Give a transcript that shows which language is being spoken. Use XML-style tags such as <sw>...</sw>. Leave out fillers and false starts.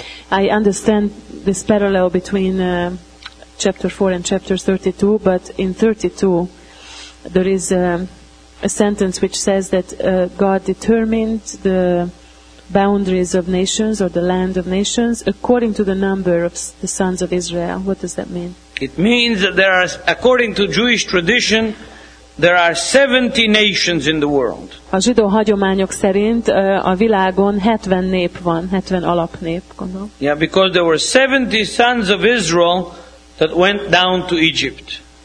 <en>I understand this parallel between chapter 4 and chapter 32, but in 32 there is a sentence which says that God determined the boundaries of nations or the land of nations according to the number of the sons of Israel. What does that mean? It means that there are, according to Jewish tradition, there are 70 nations in the world.</en> <hu>A zsidó hagyományok szerint a világon 70 nép van, 70 alapnép, gondolom.</hu> <en>Yeah, because there were 70 sons of Israel that went down to Egypt.</en>